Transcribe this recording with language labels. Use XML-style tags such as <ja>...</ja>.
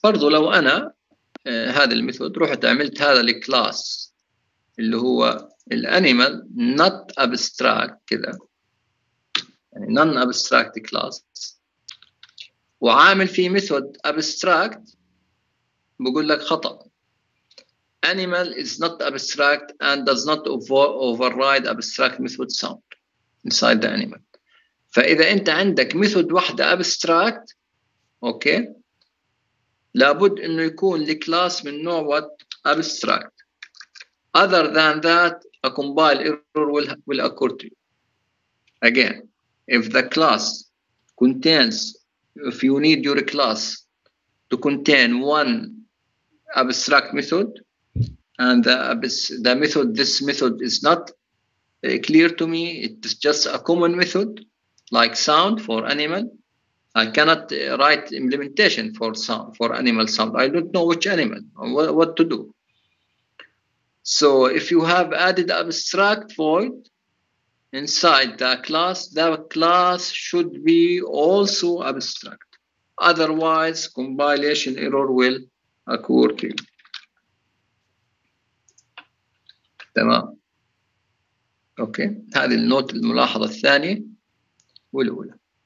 <ar>برضو لو انا هذا الميثود رحت عملت هذا الكلاس اللي هو الانيمال نوت ابستراكت كذا, يعني نون ابستراكت كلاس, وعامل فيه ميثود ابستراكت, بقول لك خطا.</ar> <en>Animal is not abstract and does not override abstract method sound inside the animal.</en> <ar>فإذا أنت عندك method واحدة abstract, okay, لابد إنه يكون لكلاس من نوع what abstract.</ar> <en>Other than that, a compile error will occur to you. Again, if the class contains, if you need your class to contain one abstract method, and the method, this method is not clear to me, it is just a common method like sound for animal, I cannot write implementation for sound, for animal sound, I don't know which animal, what to do. So if you have added abstract void inside the class should be also abstract, otherwise compilation error will occur to you.</en> <ar>تمام. اوكي, هذه النوت الملاحظة الثانية والأولى.</ar>